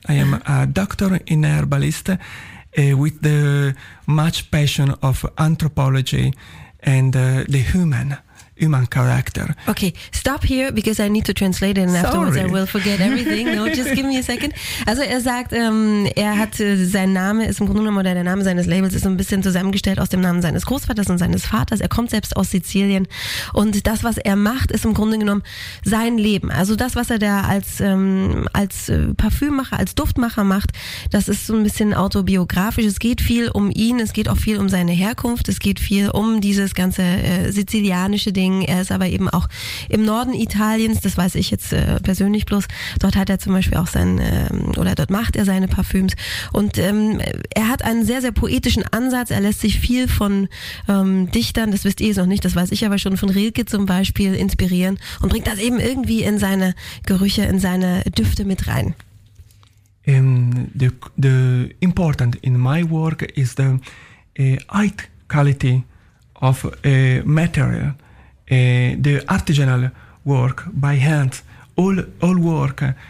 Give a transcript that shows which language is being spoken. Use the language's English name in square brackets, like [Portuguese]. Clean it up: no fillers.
[English] I am a doctor in herbalist with the much passion of anthropology and the human character. Okay, stop here because I need to translate it and afterwards I will forget everything. No, just give me a second. [German] Also er sagt, er hat sein Name, ist im Grunde genommen, oder der Name seines Labels ist ein bisschen zusammengestellt aus dem Namen seines Großvaters und seines Vaters. Er kommt selbst aus Sizilien und das, was er macht, ist im Grunde genommen sein Leben. Also das, was er da als Parfümmacher, als Duftmacher macht, das ist so ein bisschen autobiografisch. Es geht viel um ihn, es geht auch viel um seine Herkunft, es geht viel um dieses ganze sizilianische Ding. Er ist aber eben auch im Norden Italiens, das weiß ich jetzt persönlich bloß. Dort hat er zum Beispiel auch dort macht er seine Parfüms. Und er hat einen sehr, sehr poetischen Ansatz. Er lässt sich viel von Dichtern, das wisst ihr jetzt noch nicht, das weiß ich aber schon, von Rilke zum Beispiel inspirieren und bringt das eben irgendwie in seine Gerüche, in seine Düfte mit rein. [English] The important in my work is the art quality of material, the artisanal work by hand, all work.